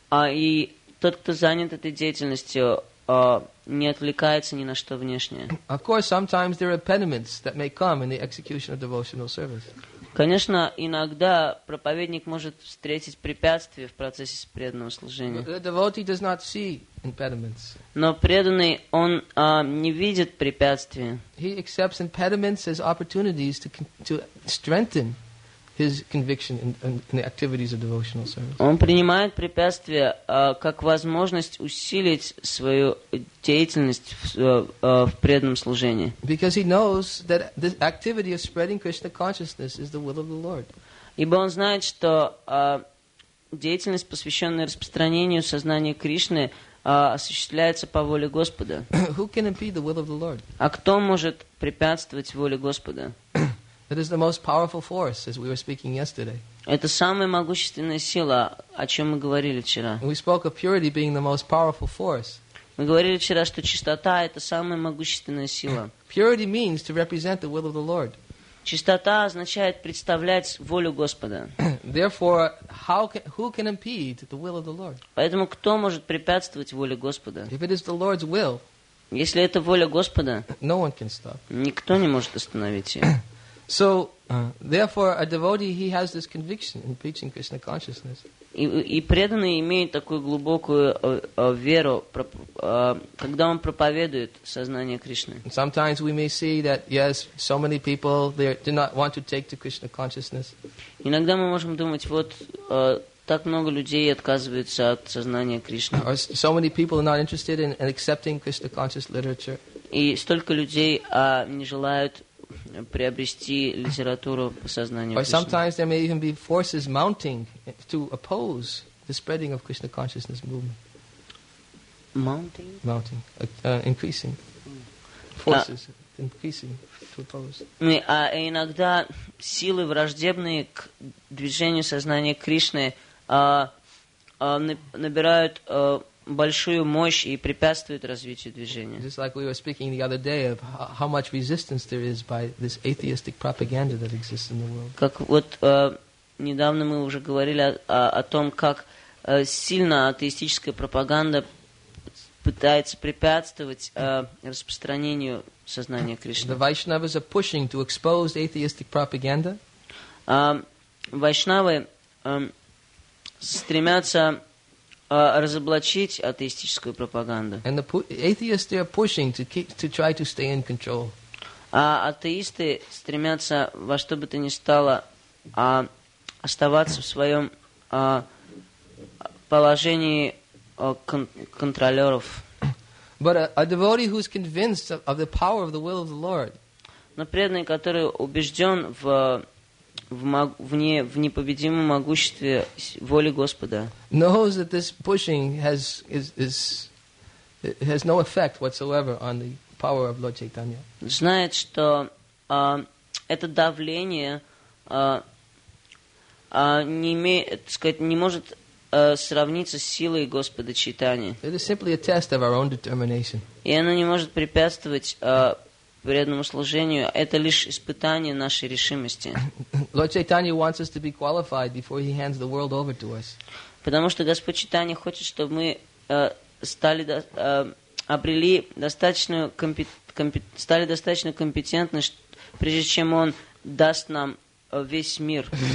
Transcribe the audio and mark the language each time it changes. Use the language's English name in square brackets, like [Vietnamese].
[Russian] И тот, кто занят этой деятельностью, не отвлекается ни на что внешнее. [English] Of course, sometimes there are impediments that may come in the execution of devotional service. [Russian] Конечно, иногда проповедник может встретить препятствия в процессе преданного служения. [English] But the devotee does not see impediments. [Russian] Но преданный, он не видит препятствий. [English] He accepts impediments as opportunities to strengthen his conviction in the activities of devotional service. [Russian] Он принимает препятствия как возможность усилить свою деятельность в преданном служении. [English] Because he knows that the activity of spreading Krishna consciousness is the will of the Lord. [Russian] Ибо он знает, что деятельность, посвященная распространению сознания Кришны, осуществляется по воле Господа. [English] Who can impede the will of the Lord? [Russian] А кто может препятствовать воле Господа? [English] It is the most powerful force, as we were speaking yesterday. [Russian] Это самая могущественная сила, о чем мы говорили вчера. [English] We spoke of purity being the most powerful force. [Russian] Мы говорили вчера, что чистота — это самая могущественная сила. [English] Purity means to represent the will of the Lord. [Russian] Чистота означает представлять волю Господа. [English] Therefore, who can impede the will of the Lord? [Russian] Поэтому кто может препятствовать воле Господа? [English] If it is the Lord's will, [Russian] если это воля Господа, [English] no one can stop. [Russian] Никто не может остановить ее. [English] So, therefore, a devotee, he has this conviction in preaching Krishna consciousness. [Russian] И преданный имеет такую глубокую веру, когда он проповедует сознание Кришны. [English] Sometimes we may see that, yes, so many people, they do not want to take to Krishna consciousness. [Russian] Иногда мы можем думать, вот так много людей отказываются от сознания Кришны. [English] Or so many people are not interested in accepting Krishna conscious literature. [Russian] И столько людей не желают приобрести литературу сознания. [English] Or sometimes there may even be forces mounting to oppose the spreading of Krishna consciousness movement. Mounting. Increasing. Forces increasing to oppose. [Russian] А иногда силы враждебные к движению сознания Кришны набирают большую мощь и препятствует развитию движения. [English] Just like we were speaking the other day of how much resistance there is by this atheistic propaganda that exists in the world. [Russian] Как вот недавно мы уже говорили о том, как сильно атеистическая пропаганда пытается препятствовать распространению сознания Кришны. [English] The Vaishnavas are pushing to expose atheistic propaganda. [Russian] Вайшнавы стремятся разоблачить атеистическую пропаганду. [English] And the atheists are pushing to try to stay in control. [Russian] А атеисты стремятся во что бы то ни стало оставаться в своем положении контролеров. [English] But a devotee who is convinced of the power of the will of the Lord. [Russian] Но преданный, который убежден в непобедимом могуществе воли Господа. [English] Knows that this pushing has no effect whatsoever on the power of Lord Chaitanya. [Russian] Знает, что это давление не имеет, так сказать, не может сравниться с силой Господа Чайтани. [English] It is simply a test of our own determination. [Russian] И оно не может препятствовать преданному служению, это лишь испытание нашей решимости. [English] Lord Chaitanya wants us to be qualified before he hands the world over to us. [Russian] Потому что Господь Чайтанья хочет, чтобы мы стали достаточно компетентны, прежде чем он даст нам весь мир.